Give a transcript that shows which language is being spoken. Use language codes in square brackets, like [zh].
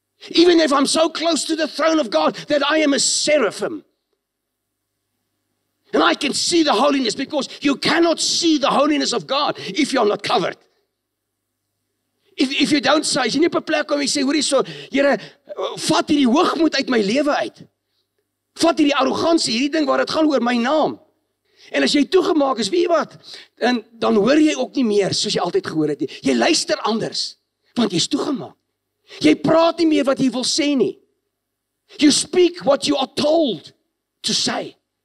[en] Even if I'm so close to the throne of God that I am a seraphim. And I can see the holiness because you cannot see the holiness of God if you're not covered. If you don't say, [af] jy nie op 'n plek kom en sê, hoorie so, Here, vat hierdie hoogmoed uit my lewe uit. Vat hierdie arrogansie, hierdie ding waar dit gaan oor my naam. En as jy toegemaak is, weet jy wat? En dan hoor jy ook nie meer soos jy altyd gehoor het nie. Jy luister anders, want jy is toegemaak. Jy praat nie meer wat jy wil sê nie. [en] You speak what you are told to say.